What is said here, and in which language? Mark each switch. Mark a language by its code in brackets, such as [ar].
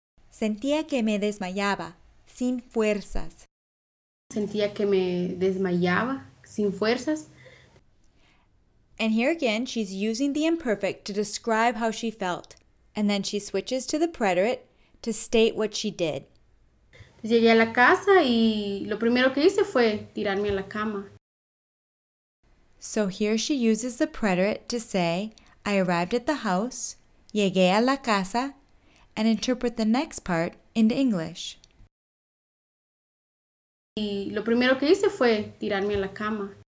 [es] Sentía que me desmayaba, sin fuerzas. Sentía que me desmayaba, sin fuerzas. [en] And here again, she's using the imperfect to describe how she felt. And then she switches to the preterite to state what she did. [es] Llegué a la casa y lo primero que hice fue tirarme a la cama. [en] So here she uses the preterite to say, I arrived at the house, [es] llegué a la casa, [en] and interpret the next part into English. [es] Y lo primero que hice fue tirarme a la cama.